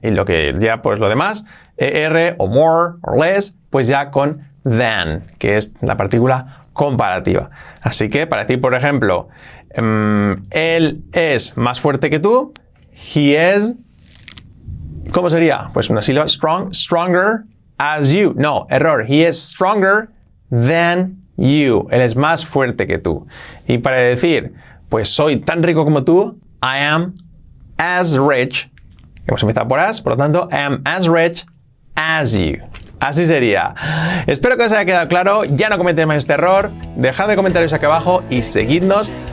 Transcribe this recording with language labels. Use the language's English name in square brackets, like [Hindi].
[Spanish] Y lo que ya, pues lo demás, er o more or less, pues ya con than, que es la partícula comparativa. Así que para decir, por ejemplo, él es más fuerte que tú, [English] he is, [Spanish] ¿cómo sería? Pues una sílaba, [English] stronger as you. [Spanish] No, error, [English] he is stronger than you. [Spanish] Él es más fuerte que tú. Y para decir, pues soy tan rico como tú, [English] I am as rich. [Spanish] Hemos empezado por as, por lo tanto, [English] I am as rich as you. [Spanish] Así sería. Espero que os haya quedado claro. Ya no cometéis más este error. Dejad de comentarios aquí abajo y seguidnos.